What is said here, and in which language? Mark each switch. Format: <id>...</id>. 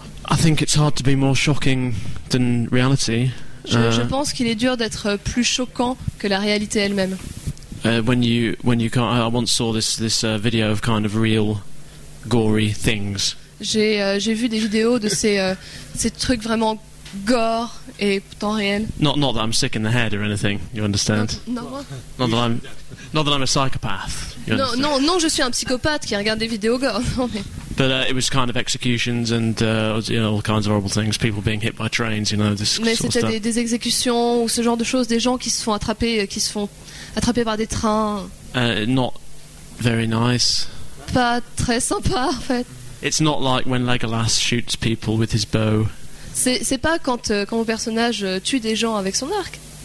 <en>I think it's hard to be more shocking than reality.</en> <fr>Je pense qu'il est dur d'être plus choquant que la réalité elle-même.</fr> <en>When you can't, I once saw this video of kind of real gory things.</en> <fr>J'ai vu des vidéos de ces trucs vraiment gore et pourtant réels.</fr> <en>Not that I'm sick in the head or anything, you understand? Not that I'm a psychopath.</en> <fr>Non, je suis un psychopathe qui regarde des vidéos gore.</fr> <en>But it was kind of executions and all kinds of horrible things, people being hit by trains, this sort of stuff.</en> <fr>Mais c'était des exécutions ou ce genre de choses, des gens qui se font attraper par des trains.</fr> <en>Not very nice.</en> <fr>Pas très sympa, en fait.</fr> <en>It's not like when Legolas shoots people with his bow.</en> <fr>C'est pas quand mon personnage tue des gens avec son arc.</fr>